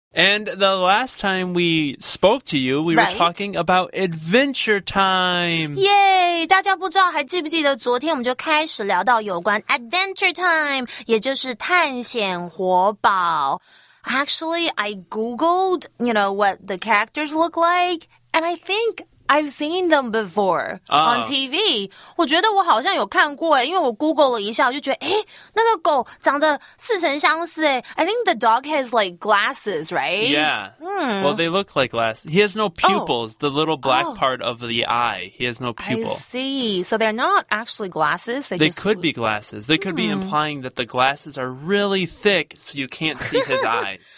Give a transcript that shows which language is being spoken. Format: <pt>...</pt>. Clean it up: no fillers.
<en>And the last time we spoke to you, we were talking about Adventure Time.</en> <zh>Yay! 大家不知道还记不记得昨天我们就开始聊到有关 Adventure Time, 也就是探险活宝。</zh> <en>Actually, I googled, you know, what the characters look like, and I think... I've seen them before on TV.</en> <zh>我觉得我好像有看过耶，因为我 Google 了一下，我就觉得，诶，那个狗长得似曾相识耶。</zh> <en>I think the dog has like glasses, right? Yeah. Well, they look like glasses. He has no pupils, the little black part of the eye. He has no pupil. I see. So they're not actually glasses. They could be glasses. They could be implying that the glasses are really thick so you can't see his eyes.</en>